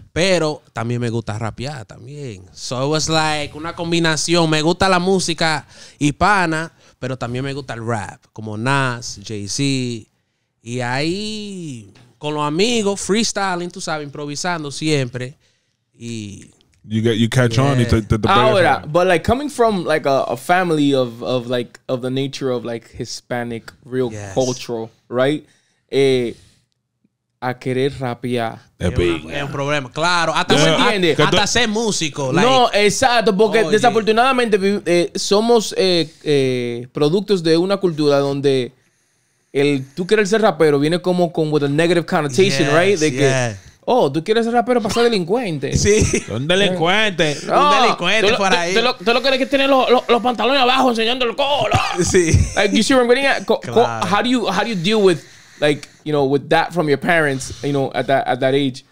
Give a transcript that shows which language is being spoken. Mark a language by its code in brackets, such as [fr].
[es] Pero también me gusta rapear también. So it was like una combinación. Me gusta la música hispana, pero también me gusta el rap, como Nas, Jay-Z. Y ahí, con los amigos, freestyling, tú sabes, improvisando siempre. Y [en] you catch on. Ahora, but like coming from like a family of like of the nature of like Hispanic real cultural, right? [es] A querer rapear es un problema, claro. Hasta se entiende. Hasta ser músico. Like. No, exacto, porque desafortunadamente somos productos de una cultura donde el tú querer ser rapero viene como con with a negative connotation, right? De que, Oh, tú quieres ser rapero para ser delincuente. Sí. Un delincuente. No, un delincuente por ahí. Tú lo quieres que tener los pantalones abajo enseñando el colo. Sí. [en] Like, you see what I'm getting at? How do you deal with, like, you know, with that from your parents, you know, at that age?